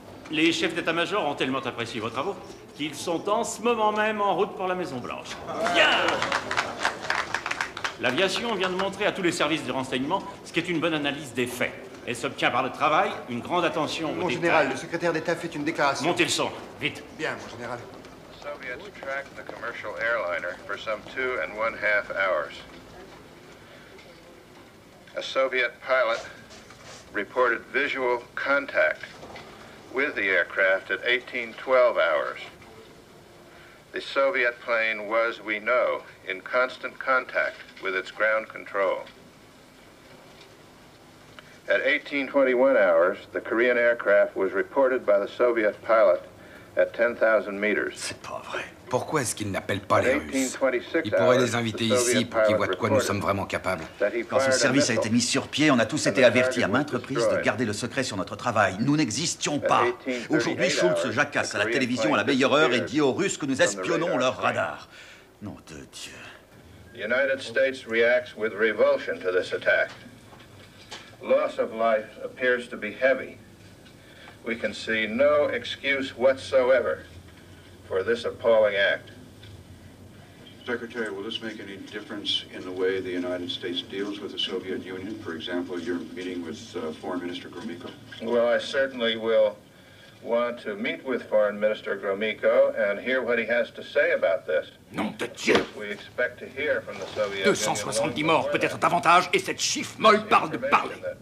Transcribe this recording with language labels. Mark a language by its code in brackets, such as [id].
[fr] Les chefs d'état-major ont tellement apprécié vos travaux qu'ils sont en ce moment même en route pour la Maison-Blanche. Bien! L'aviation vient de montrer à tous les services de renseignement ce qu'est une bonne analyse des faits. Elle s'obtient par le travail, une grande attention aux détails. Mon général, le secrétaire d'État fait une déclaration. Montez le son, vite. Bien, mon général. [en] Soviets tracked the commercial airliner for some 2.5 hours. A Soviet pilot reported visual contact with the aircraft at 18:12 hours. The Soviet plane was, we know, in constant contact with its ground control. At 18:21 hours, the Korean aircraft was reported by the Soviet pilot at 10,000 meters. [fr] C'est pas vrai. Pourquoi est-ce qu'ils n'appellent pas les Russes? Ils pourraient les inviter ici pour qu'ils voient de quoi nous sommes vraiment capables. Quand ce service a été mis sur pied, on a tous été avertis à maintes reprises de garder le secret sur notre travail. Nous n'existions pas. Aujourd'hui, Schultz jacasse à la télévision à la meilleure heure et dit aux Russes que nous espionnons leur radar. Nom de Dieu. [en] The United States reacts with revulsion to this attack. Loss of life appears to be heavy. We can see no excuse whatsoever for this appalling act. Secretary, will this make any difference in the way the United States deals with the Soviet Union? For example, your meeting with Foreign Minister Gromyko? Well, I certainly will want to meet with Foreign Minister Gromyko and hear what he has to say about this. [fr] Nom de Dieu! [en] We expect to hear from the Soviet [fr] 270 morts, peut-être davantage, et cette chiffre molle parle de parler!